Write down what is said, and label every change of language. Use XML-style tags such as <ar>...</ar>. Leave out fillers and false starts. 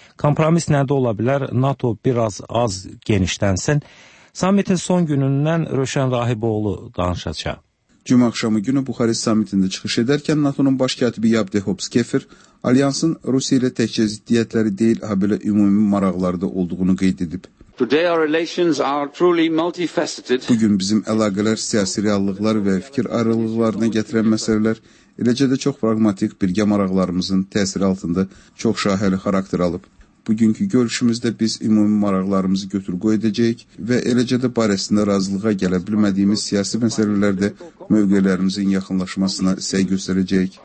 <az>Kompromis nədə ola bilər? NATO biraz az genişlənsin. Samitin son günündən Rövşən Rahiboğlu danışacaq. Cümə axşamı günü Buxarest samitində çıxış edərkən NATO-nun baş katibi Yabde Hopskefer, Alyansın Rusiya ilə təkcə ziddiyyətləri deyil, habelə ümumi maraqlarda olduğunu qeyd edib.</az> <en>Today our relations are truly multifaceted.</en> <az>Bugün bizim əlaqələr siyasi reallıqlar və fikir ayrılıqlarına gətirən məsələlər, eləcə də çox pragmatik birgə maraqlarımızın təsiri altında çox şahəli xarakter alıb. Bugünkü görüşümüzdə biz ümumi maraqlarımızı götür-qoy edəcəyik və eləcə də barəsində razılığa gələ bilmədiyimiz siyasi məsələlərdə mövqelərimizin yaxınlaşmasına səy göstərəcəyik.</az>